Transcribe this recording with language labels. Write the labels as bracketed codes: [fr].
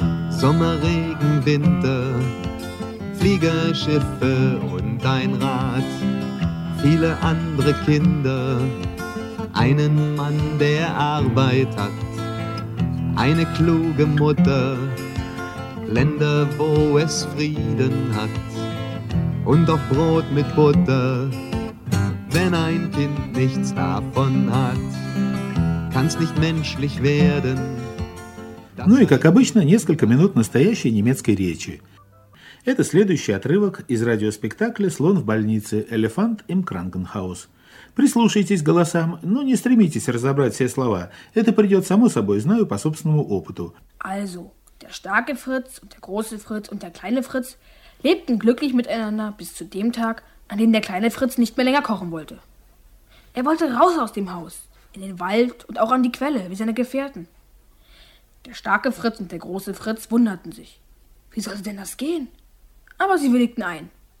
[de] Sommer, Regen, Winter, Flieger, Schiffe und ein Rad, viele andere Kinder, einen Mann, der Arbeit hat, eine kluge Mutter, Länder, wo es Frieden hat, und auch Brot mit Butter. Wenn ein Kind nichts davon hat, kann's nicht menschlich werden. [ru] Ну и, как обычно, несколько минут настоящей немецкой речи. Это следующий отрывок из радиоспектакля «Слон в больнице» «Elefant im Krankenhaus». Прислушайтесь голосам, но не стремитесь разобрать все слова. Это придет само собой, знаю по собственному опыту. [de] Also, der starke Fritz und der große Fritz und der kleine Fritz lebten glücklich miteinander bis zu dem Tag, an dem der kleine Fritz nicht mehr länger kochen wollte. Er wollte raus aus dem Haus, in den Wald und auch an die Quelle, wie seine Gefährten. Der starke Fritz und der große Fritz wunderten sich. Wie sollte denn das gehen? Aber sie willigten ein.